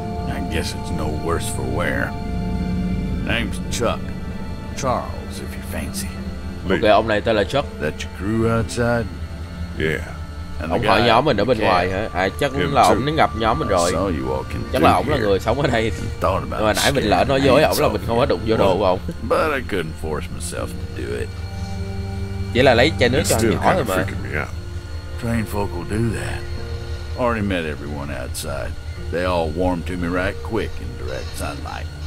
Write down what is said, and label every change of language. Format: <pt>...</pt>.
<en>I guess it's no worse for wear. Name's Chuck. Charles, if you fancy.</en> <vi>Okay, ông này tên là Chuck.</vi> <en>That your crew outside? Yeah.</en> <vi>Ông hỏi nhóm mình ở bên ngoài hả? À chắc là ông đã gặp nhóm mình rồi. Chắc là ông là người sống ở đây. Nhưng mà nãy mình lỡ nói dối ổng là mình không có đụng vô đồ của ổng.</vi> <en>But I couldn't force myself to do it.</en> <vi>Vậy là lấy chai nước cho nhỏ thôi mà.</vi> <en>Train folk will do that. Already met everyone outside. They all warm to me right quick in direct sunlight.</en>